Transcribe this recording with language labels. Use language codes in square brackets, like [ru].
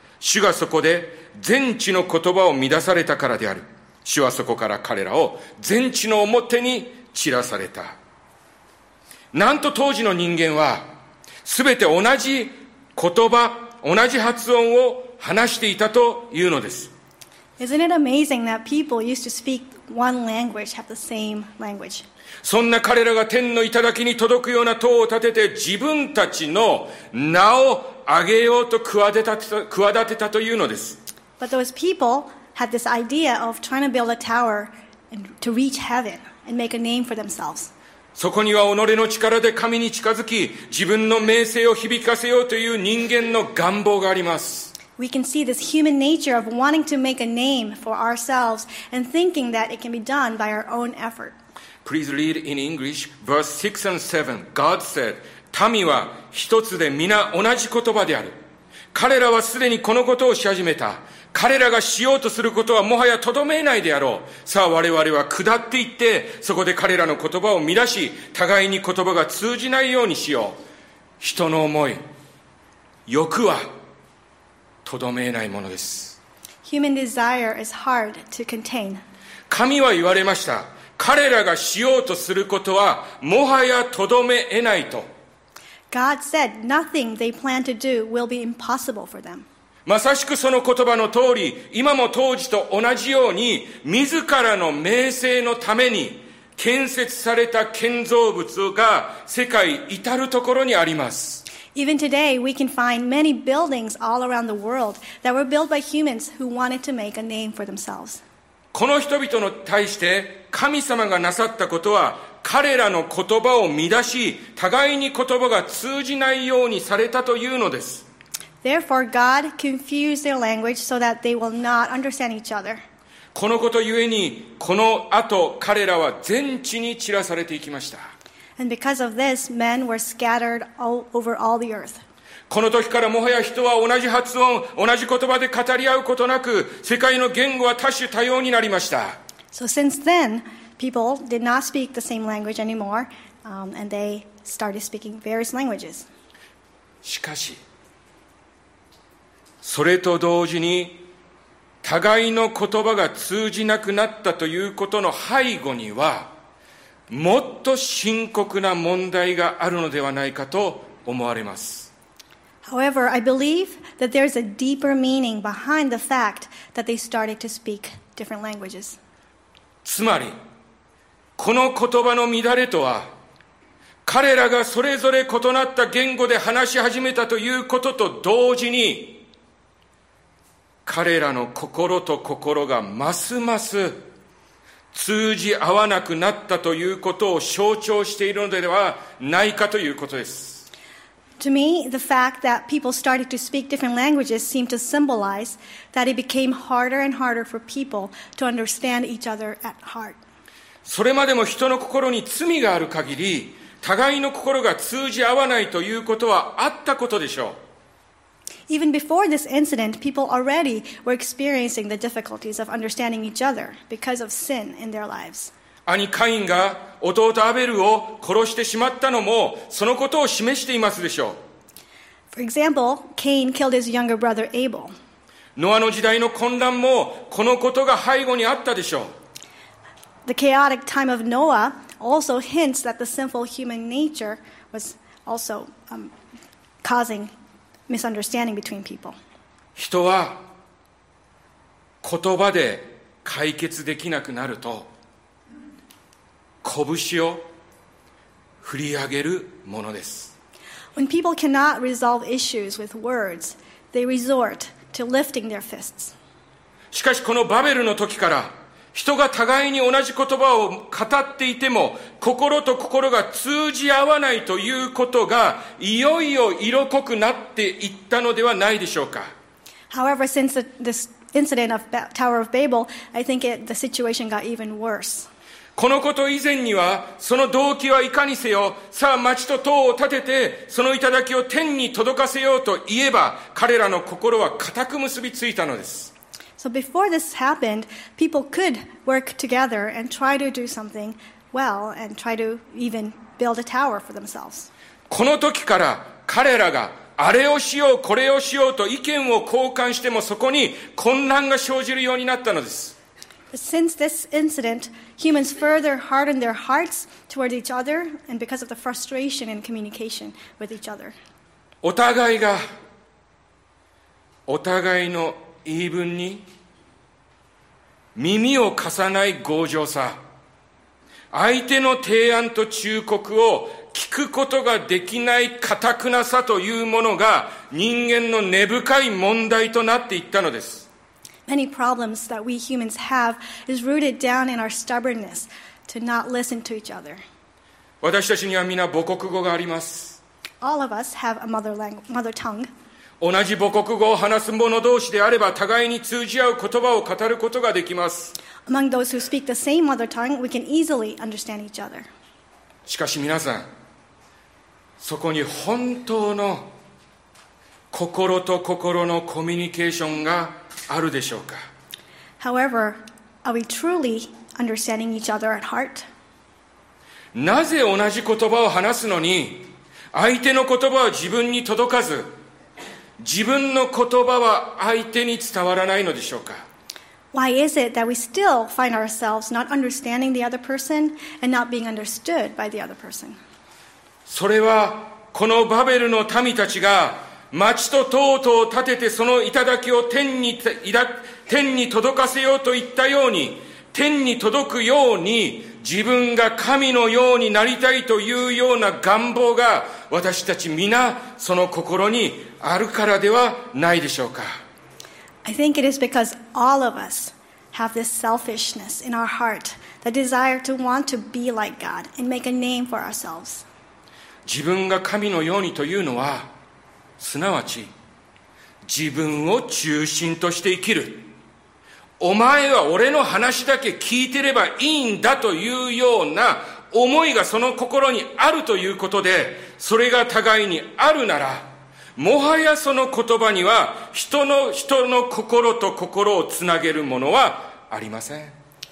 [ja] 主がそこで全地の言葉を乱されたからである。主はそこから彼らを全地の表に散らされた。なんと当時の人間は全て同じ言葉、同じ発音を話していたというのです。 [en] Isn't it amazing that people used to speak one language, have the same language? [ja] そんな彼らが天の頂に届くような塔を建てて自分たちの名を上げようと企てたというのです。 [en] But those people had this idea of trying to build a tower to reach heaven and make a name for themselves. [ja] そこには己の力で神に近づき自分の名声を響かせようという人間の願望があります。 [en] We can see this human nature of wanting to make a name for ourselves and thinking that it can be done by our own effort. Please read in English, verse 6 and 7. God said, [ja] 民は一つで皆同じ言葉である。彼らはすでにこのことをし始めた。彼らがしようとすることはもはやとどめないであろう。さあ我々は下っていって、そこで彼らの言葉を乱し、互いに言葉が通じないようにしよう。人の思い、欲はとどめないものです。 [en] Human desire is hard to contain. [ja] 神は言われました。彼らがしようとすることはもはやとどめ得ないと。 [en] God said nothing they plan to do will be impossible for them. [ja] まさしくその言葉の通り、今も当時と同じように自らの名声のために建設された建造物が世界至るところにあります。 [en] Even today we can find many buildings all around the world that were built by humans who wanted to make a name for themselves. [ja] この人々に対して神様がなさったことは彼らの言葉を乱し互いに言葉が通じないようにされたというのです。 [en] Therefore, God confused their language so that they will not understand each other. [ja] このことゆえにこの後彼らは全地に散らされていきました。 [en] And because of this, men were scattered all over all the earth. [ja] この時からもはや人は同じ発音、同じ言葉で語り合うことなく、世界の言語は多種多様になりました。 [en] So since then, people did not speak the same language anymore, and they started speaking various languages. [ja] しかし、それと同時に、互いの言葉が通じなくなったということの背後には、もっと深刻な問題があるのではないかと思われます。 [en] However, I believe that there is a deeper meaning behind the fact that they started to speak different languages. [ja] つまり、この言葉の乱れとは、彼らがそれぞれ異なった言語で話し始めたということと同時に、彼らの心と心がますます通じ合わなくなったということを象徴しているのではないかということです。 [en] To me, the fact that people started to speak different languages seemed to symbolize that it became harder and harder for people to understand each other at heart. [ja] それまでも人の心に罪がある限り、互いの心が通じ合わないということはあったことでしょう。 [en] Even before this incident, people already were experiencing the difficulties of understanding each other because of sin in their lives. [ja] 兄カインが弟アベルを殺してしまったのもそのことを示していますでしょう。 [en] For example, Cain killed his younger brother Abel. [ja] ノアの時代の混乱もこのことが背後にあったでしょう。 [en] The chaotic time of Noah also hints that the sinful human nature was also causing misunderstanding between people. [ja] 人は言葉で解決できなくなると拳を振り上げるものです。 [en] When people cannot resolve issues with words, they resort to lifting their fists. [ja] しかしこのバベルの時から人が互いに同じ言葉を語っていても心と心が通じ合わないということがいよいよ色濃くなっていったのではないでしょうか。 [en] However, since this incident of Tower of Babel, I think the situation got even worse. [ja] このこと以前にはその動機はいかにせよさあ町と塔を建ててその頂きを天に届かせようと言えば彼らの心は固く結びついたのです。 [en] So before this happened, people could work together and try to do something well and try to even build a tower for themselves. [ja] この時から彼らがあれをしようこれをしようと意見を交換してもそこに混乱が生じるようになったのです。 [en] But since this incident, humans further hardened their hearts toward each other and because of the frustration in communication with each other. [ja] お互いがお互いの言い分に耳を貸さない強情さ、相手の提案と忠告を聞くことができない固くなさというものが人間の根深い問題となっていったのです。 [en] Many problems that we humans have is rooted down in our stubbornness to not listen to each other. [ja] 私たちには皆母国語があります。 [en] All of us have a mother tongue. [ja] 同じ母国語を話す者同士であれば互いに通じ合う言葉を語ることができます。 [en] Among those who speak the same mother tongue, we can easily understand each other. [ja] しかし皆さん、そこに本当の心と心のコミュニケーションがあるでしょうか。 [en] However, are we truly understanding each other at heart? [ja] なぜ同じ言葉を話すのに、相手の言葉は自分に届かず、自分の言葉は相手に伝わらないのでしょうか。 [en] Why is it that we still find ourselves not understanding the other person and not being understood by the other person? [ja] それはこのバベルの民たちが町と塔を建ててその頂きを天に届かせようと言ったように、天に届くように自分が神のようになりたいというような願望が私たち皆その心にあるからではないでしょうか。 [en] I think it is because all of us have this selfishness in our heart, the desire to want to be like God and make a name for ourselves. [ja] 自分が神のようにというのはすなわち自分を中心として生きる、お前は俺の話だけ聞いてればいいんだというような思いがその心にあるということで、それが互いにあるなら、もはやその言葉には人の心と心をつなげるものはありません。